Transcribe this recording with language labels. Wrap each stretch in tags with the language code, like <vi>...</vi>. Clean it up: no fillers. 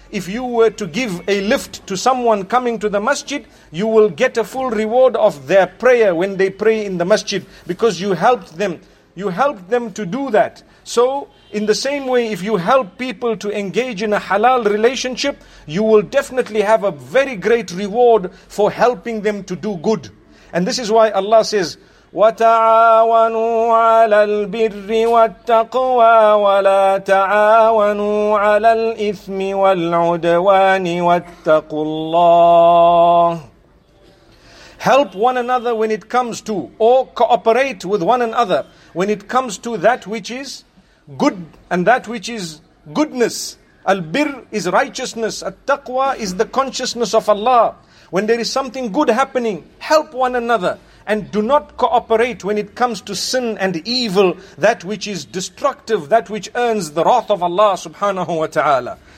<en>If you were to give a lift to someone coming to the masjid, you will get a full reward of their prayer when they pray in the masjid, because you helped them. You helped them to do that. So, in the same way, if you help people to engage in a halal relationship, you will definitely have a very great reward for helping them to do good. And this is why Allah says,</en> <ar>وَتَعَاوَنُوا عَلَى الْبِرِّ وَالتَّقْوَى وَلَا تَعَاوَنُوا عَلَى الْإِثْمِ وَالْعُدْوَانِ وَاتَّقُوا اللَّهِ.</ar> <en>Help one another when it comes to, or cooperate with one another when it comes to that which is good and that which is goodness. Al-birr is righteousness. At-taqwa is the consciousness of Allah. When there is something good happening, help one another. And do not cooperate when it comes to sin and evil, that which is destructive, that which earns the wrath of Allah subhanahu wa ta'ala.</en>